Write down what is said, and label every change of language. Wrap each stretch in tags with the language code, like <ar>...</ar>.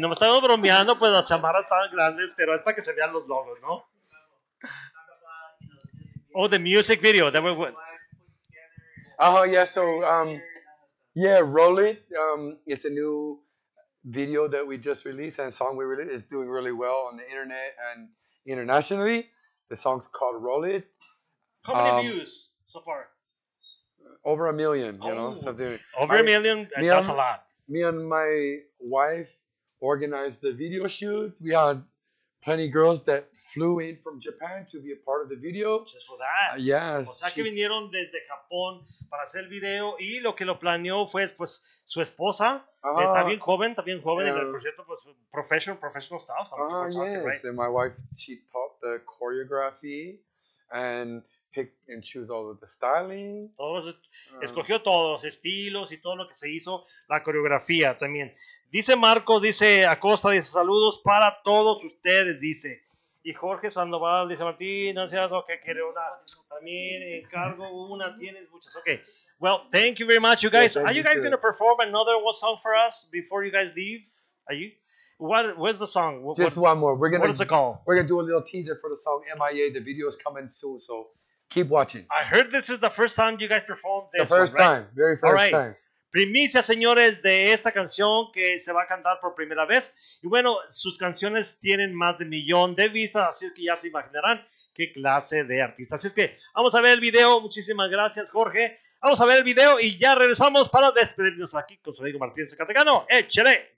<es>No me estaba bromeando, pues las chamarras estaban grandes, pero es para que se vean los logos, ¿no?</es> <en>Oh, the music video. That was what? Oh, yeah, so, Roll It, it's a new video that we just released, and song we released, is doing really well on the internet and internationally, The song's called Roll It. How many views so far? Over a million, you know, something. Over a million, that's a lot. Me and my wife organized the video shoot. We had plenty of girls that flew in from Japan to be a part of the video. Just for that. Yeah.</en> <es>O sea, que vinieron desde Japón para hacer el video. Y lo que lo planeó fue, pues, su esposa. Está bien joven. Yeah. Y el proyecto, pues,</es> <en>professional stuff. Right? And my wife, she taught the choreography and pick and choose all of the styling.</en> <es>Todos, escogió todos los estilos y todo lo que se hizo, la coreografía también. Dice Marcos, dice Acosta, dice saludos para todos ustedes, dice. Y Jorge Sandoval dice, Martín, gracias, ok, quiere una, también encargo una, tienes muchas, ok.</es> <en>Well, thank you very much, you guys. Yeah, are you guys going to perform another one song for us before you guys leave? Are you? Where's the song? One more. We're gonna, what is it called? We're going to do a little teaser for the song MIA. The video is coming soon, so keep watching. I heard this is the first time you guys performed this. The first one, time. Very first right. time.</en> <es>Primicia, señores, de esta canción que se va a cantar por primera vez. Y bueno, sus canciones tienen más de 1,000,000 de vistas, así es que ya se imaginarán qué clase de artista. Así es que vamos a ver el video. Muchísimas gracias, Jorge. Vamos a ver el video y ya regresamos para despedirnos aquí con su amigo Martín Zacatecano. ¡Échale!</es>